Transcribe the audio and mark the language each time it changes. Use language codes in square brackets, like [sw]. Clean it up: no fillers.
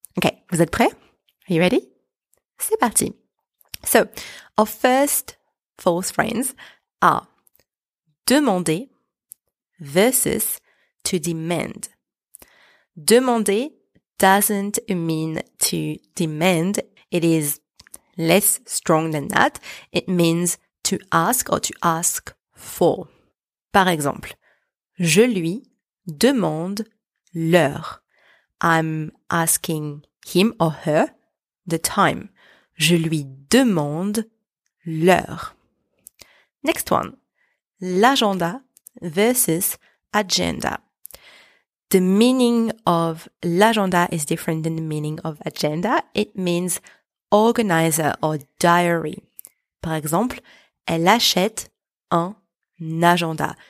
[en] Okay. [fr] Vous êtes prêts? [en] Are you ready? [fr] C'est parti. [en] So our first false friends are demander versus to demand. Demander doesn't mean to demand. It is less strong than that. It means to ask or to ask for. [fr] Par exemple, je lui demande l'heure. [en] I'm asking him or her the time. [fr] Je lui demande l'heure. [en] Next one, [fr] l'agenda versus agenda. [en] The meaning of l'agenda is different than the meaning of agenda. It means organizer or diary. [fr] Par exemple, elle achète un agenda.